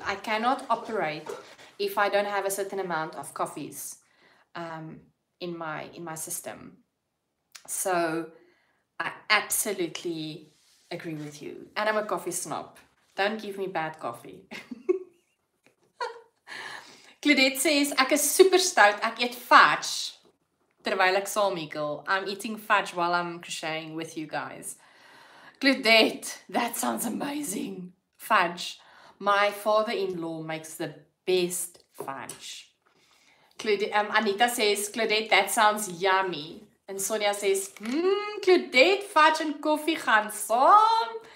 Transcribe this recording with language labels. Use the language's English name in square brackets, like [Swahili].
[English] I cannot operate if I don't have a certain amount of coffees in my system. So I absolutely agree with you. And I'm a coffee snob. Don't give me bad coffee. Claudette says, [Afrikaans] ek is super stout. Ek eet fudge terwijl ek saam hekel. [English] I'm eating fudge while I'm crocheting with you guys. Claudette, that sounds amazing. Fudge. My father-in-law makes the best fudge. Anita says, Claudette, that sounds yummy. And Sonia says, Claudette, fudge and coffee [Afrikaans] gaan saam.